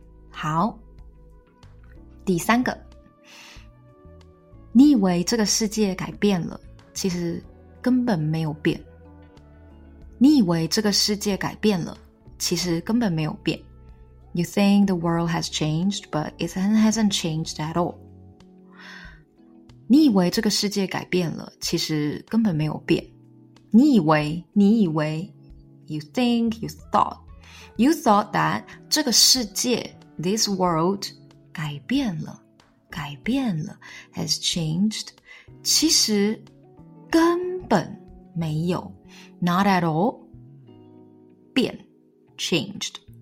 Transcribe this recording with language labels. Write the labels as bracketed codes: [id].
[zh] 好，第三个。你以为这个世界改变了，其实根本没有变。你以为这个世界改变了，其实根本没有变。 [en] You think the world has changed, but it hasn't changed at all. [zh] 你以为这个世界改变了，其实根本没有变。你以为 [en] you think, you thought that [zh] 这个世界 [en] this world [zh] 改变了。改变了， [en] has changed， [zh] 其实根本没有， [en] not at all， [zh] 变， [en] changed。